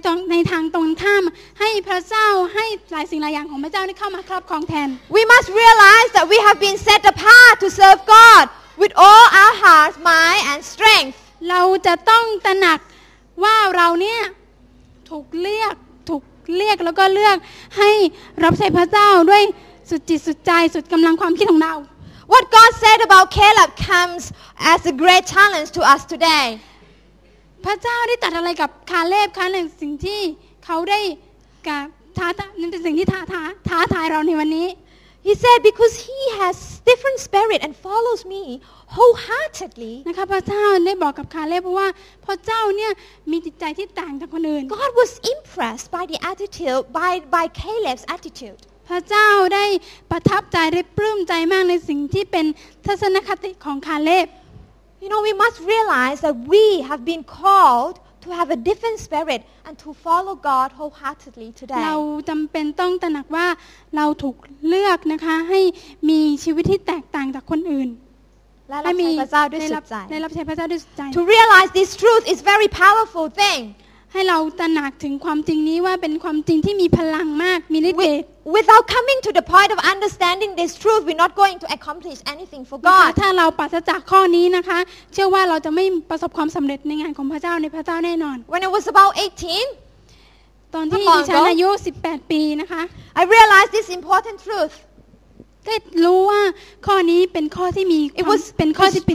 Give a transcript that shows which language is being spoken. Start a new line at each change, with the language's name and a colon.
Thai: ในทางตรงข้ามให้พระเจ้าให้หลายสิ่งหลายอย่างของพระเจ้าได้เข้ามาครอบครองแทน
English: We must realize that we have been set apart to serve GodWith all our heart, mind, and strength,
Thai: เราจะต้องตระหนักว่าเราเนี่ยถูกเรียกแล้วก็เลือกให้รับใช้พระเจ้าด้วยสุดจิตสุดใจสุดกำลังความคิดของเรา
English: What God said about Caleb comes as a great challenge to us today.
Thai: พระเจ้าได้ตรัสอะไรกับคาเลบคะในสิ่งที่เขาได้กับท้าทายเป็นสิ่งที่ท้าทายเราในวันนี้
English: He said because he has different spirit and follows me wholeheartedly.
Thai: นะคะพระเจ้าได้บอกกับคาเลบว่าพระเจ้าเนี่ยมีจิตใจที่ต่างจากคนอื่น
English: God was impressed by the attitude by Caleb's attitude.
Thai: พระเจ้าได้ประทับใจได้ปลื้มใจมากในสิ่งที่เป็นทัศนคติของคาเลบ
English: You know we must realize that we have been called to have a different spirit and to follow God wholeheartedly today
Thai: เราจำเป็นต้องตระหนักว่าเราถูกเลือกนะคะให้มีชีวิตที่แตกต่างจากคนอื่น และรับใช้พระเจ้าด้วยสุดใจ ได้รับใช้พระเจ้าด้วยสุดใจ
English: To realize this truth is very powerful thing
Thai: ให้เราตระหนักถึงความจริงนี้ว่าเป็นความจริงที่มีพลังมากมีฤทธิ์เดช
English: Without coming to the point of understanding this truth we're not going to accomplish anything for God
Thai: ถ้าเราปราศจากข้อนี้นะคะเชื่อว่าเราจะไม่ประสบความสำเร็จในงานของพระเจ้าในพระเจ้าแน่นอน
English: When I was about 18
Thai: ตอนที่ดิฉันอายุ18ปีนะคะ
English: I realized this important truth
Thai: ก็รู้ว่าข้อนี้เป็นข้อที่มีเป็นข้อที่เป็น